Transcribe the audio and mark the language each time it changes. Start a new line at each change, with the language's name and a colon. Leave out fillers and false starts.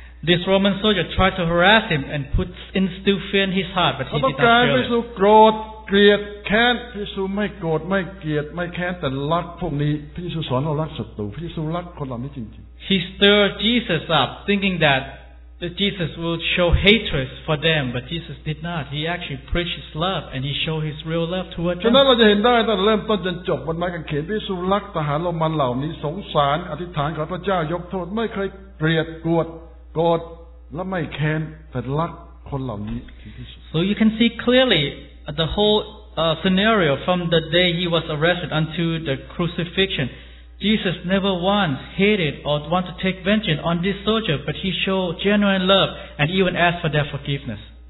English: This Roman soldier tried to harass him and put instill fear in his heart, but he did not feel it.
Thai: พระเยซูโกรธเกลียดแค้นพระเยซูไม่โกรธไม่เกลียดไม่แค้นแต่รักพวกนี้พระเยซูสอนเรารักศัตรูพระเยซูรักคนเหล่านี้จริง
English: ๆ He stirred Jesus up thinking thatThat Jesus will show hatred for them, but Jesus did not. He actually preached His love, and He showed His real love toward them.
Thai: ฉะนั้นเราจะเห็นได้ตั้งแต่เริ่มต้นจนจบบนไม้กางเขนพระเยซูรักทหารโรมันเหล่านี้สงสารอธิษฐานขอพระเจ้ายกโทษไม่เคยเกลียดโกรธและไม่แค้นแต่รักคนเหล่านี้
English: So you can see clearly the whole scenario from the day He was arrested until the crucifixion. Jesus never once hated or wanted to take vengeance on this soldier, but he showed genuine love and even asked for their forgiveness.